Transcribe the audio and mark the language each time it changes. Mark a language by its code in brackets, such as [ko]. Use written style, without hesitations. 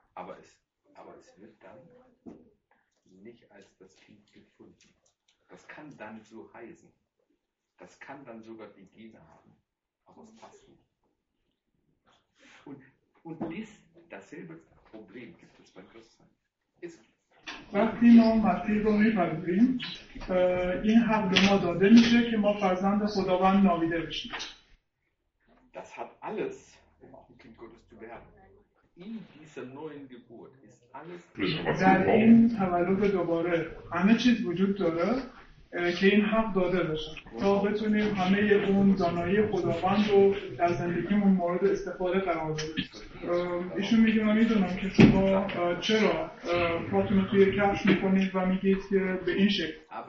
[de] Aber es wird dann nicht als das Kind gefunden. Das kann dann so heißen. Das kann dann sogar die Gene haben. Aber es passt nicht. Und dasselbe Problem gibt es beim Christsein. [fa] وقتی ما مسیح رو میپذیریم این حق به ما داده میشه که ما فرزند خداوند نامیده بشیم. [de] Das hat alles, um auch ein Kind Gottes zu werden. In dieser neuen Geburt ist alles. [fa] در این تولد دوباره همه چیز وجود داره که این حق داده بشه تا بتونیم همه اون دانایی خداوند رو در زندگیمون مورد استفاده قرار بدیم. ایشون میگه من میدونم که شما چرا پاتون رو توی کفش میکنید و میگید که به این شکل.